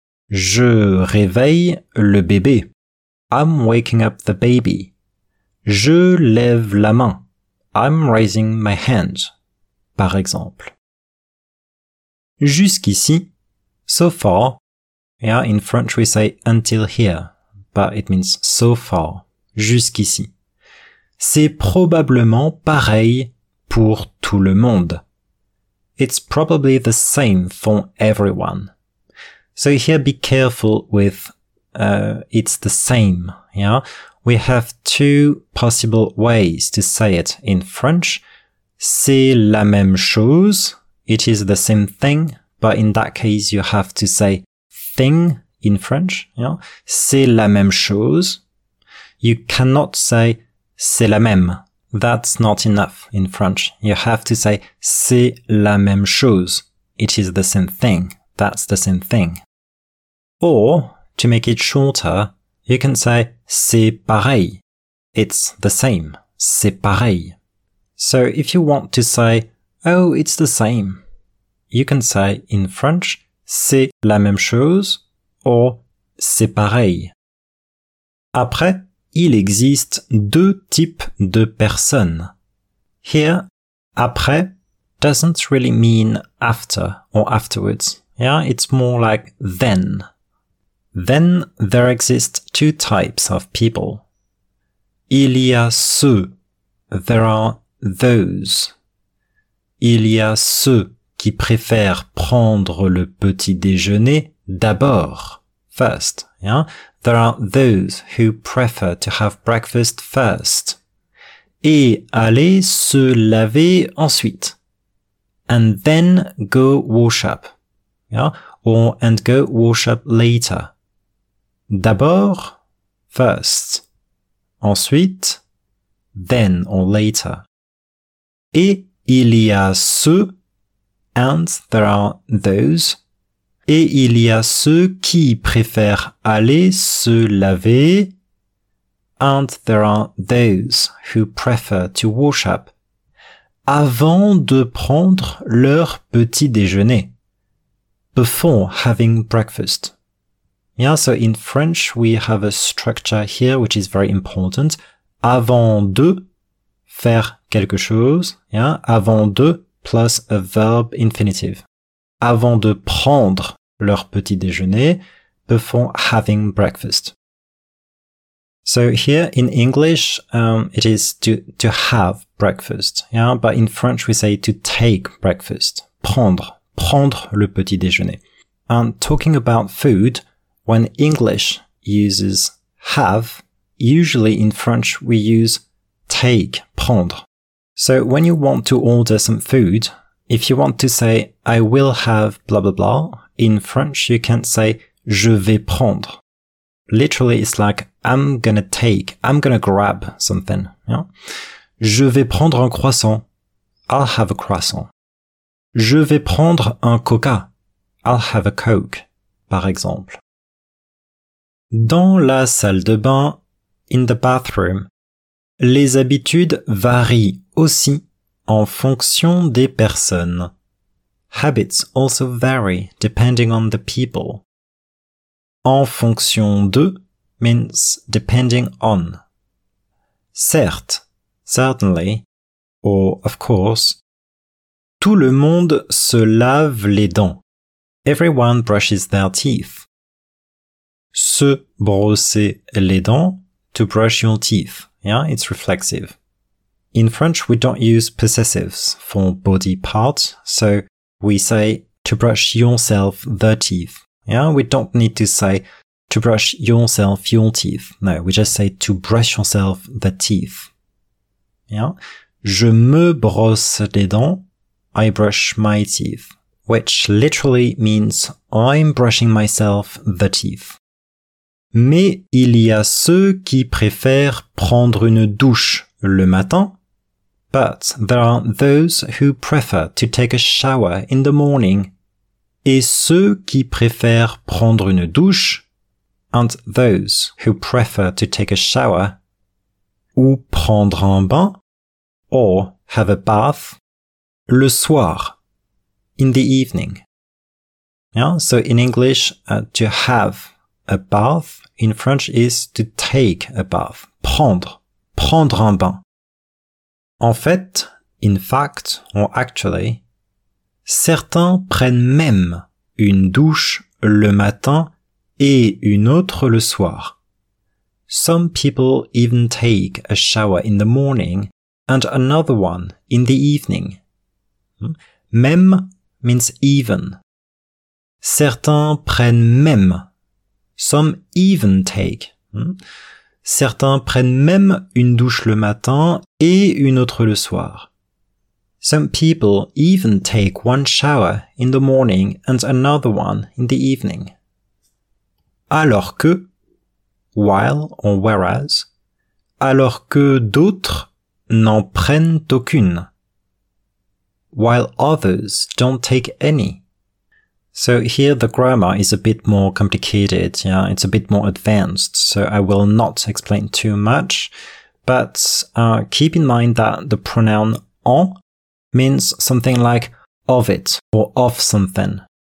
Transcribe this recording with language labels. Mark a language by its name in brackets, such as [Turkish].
[French] Je réveille le bébé. [English] I'm waking up the baby. [French] Je lève la main. [English] I'm raising my hand. [French] Par exemple. Jusqu'ici, [English] so far. Yeah, in French we say until here, but it means so far. [French] Jusqu'ici. C'est probablement pareil pour tout le monde. [English] It's probably the same for everyone. So here, be careful with it's the same. Yeah, we have two possible ways to say it in French. [French] C'est la même chose. [English] It is the same thing. But in that case, you have to say thing in French. [French] Yeah, c'est la même chose. [English] You cannot say [French] c'est la même. [English] That's not enough in French. You have to say [French] c'est la même chose. [English] It is the same thing. That's the same thing. Or, to make it shorter, you can say [French] c'est pareil. [English] It's the same. [French] C'est pareil. [English] So, if you want to say, oh, it's the same, you can say in French [French] c'est la même chose [English] or [French] c'est pareil. Après, il existe deux types de personnes. [English] Here, après doesn't really mean after or afterwards. Yeah, it's more like then. Then there exist two types of people. [French] Il y a ceux. [English] There are those. [French] Il y a ceux qui préfèrent prendre le petit déjeuner d'abord. [English] First, yeah? There are those who prefer to have breakfast first. [French] Et aller se laver ensuite. [English] And then go wash up. Yeah? Or, and go wash up later. D'abord, first. [French] Ensuite, [English] then or later. [French] Et il y a ceux, [English] and there are those. [French] Et il y a ceux qui préfèrent aller se laver. [English] And there are those who prefer to wash up. [French] Avant de prendre leur petit déjeuner. [English] Before having breakfast. Yeah, so in French we have a structure here which is very important. [French] Avant de faire quelque chose. [English] Yeah, [French] avant de [English] plus a verb infinitive. [French] Avant de prendre leur petit déjeuner, [English] before having breakfast. So here in English, it is to have breakfast. Yeah. But in French, we say to take breakfast. [French] Prendre le petit déjeuner. [English] And talking about food, when English uses have, usually in French, we use take, prendre. So when you want to order some food, if you want to say, I will have blah, blah, blah, in French, you can say, [French] je vais prendre. [English] Literally, it's like, I'm gonna take, I'm gonna grab something. Yeah? [French] Je vais prendre un croissant. [English] I'll have a croissant. [French] Je vais prendre un coca. [English] I'll have a coke, [French] par exemple. Dans la salle de bain, [English] in the bathroom, [French] les habitudes varient aussi en fonction des personnes. [English] Habits also vary depending on the people. [French] En fonction de [English] means depending on. [French] Certes, [English] certainly, or of course. [French] Tout le monde se lave les dents. [English] Everyone brushes their teeth. [French] Se brosser les dents, [English] to brush your teeth. Yeah, it's reflexive. In French, we don't use possessives for body parts, so we say to brush yourself the teeth. Yeah, we don't need to say to brush yourself your teeth. No, we just say to brush yourself the teeth. Yeah, [French] je me brosse les dents. [English] I brush my teeth, which literally means I'm brushing myself the teeth. [French] Mais il y a ceux qui préfèrent prendre une douche le matin. [English] But there are those who prefer to take a shower in the morning. [French] Et ceux qui préfèrent prendre une douche, [English] and those who prefer to take a shower, [French] ou prendre un bain, [English] or have a bath, [French] le soir, [English] in the evening. Yeah, so in English, to have a bath, in French is to take a bath. [French] Prendre un bain. En fait, [English] in fact, or actually, [French] certains prennent même une douche le matin et une autre le soir. [English] Some people even take a shower in the morning and another one in the evening. Même means even. [French] Certains prennent même. [English] Some even take. [French] Certains prennent même une douche le matin et une autre le soir. [English] Some people even take one shower in the morning and another one in the evening. [French] Alors que, [English] while or whereas, [French] alors que d'autres n'en prennent aucune. [English] While others don't take any. So here the grammar is a bit more complicated, yeah, it's a bit more advanced, so I will not explain too much. But keep in mind that the pronoun en means something like of it or of something.